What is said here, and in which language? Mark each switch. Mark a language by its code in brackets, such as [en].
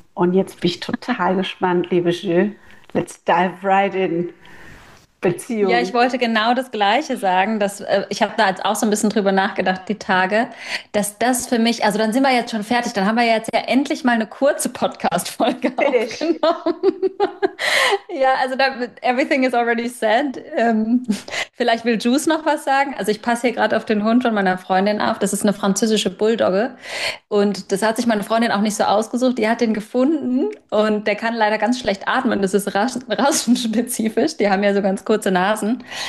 [de] Und jetzt bin ich total gespannt, liebe Jules. [en] Let's dive right in. Beziehung. [de] Ja, ich wollte genau das Gleiche sagen. Ich habe da jetzt auch so ein bisschen drüber nachgedacht, die Tage, dass das für mich, also dann sind wir jetzt schon fertig, dann haben wir jetzt ja endlich mal eine kurze Podcast-Folge aufgenommen. Ja, also da, [en] everything is already said. [de] Vielleicht will Juice noch was sagen. Also ich passe hier gerade auf den Hund von meiner Freundin auf. Das ist eine französische Bulldogge. Und das hat sich meine Freundin auch nicht so ausgesucht. Die hat den gefunden und der kann leider ganz schlecht atmen. Das ist rassenspezifisch. Die haben ja so ganz kurze Nasen.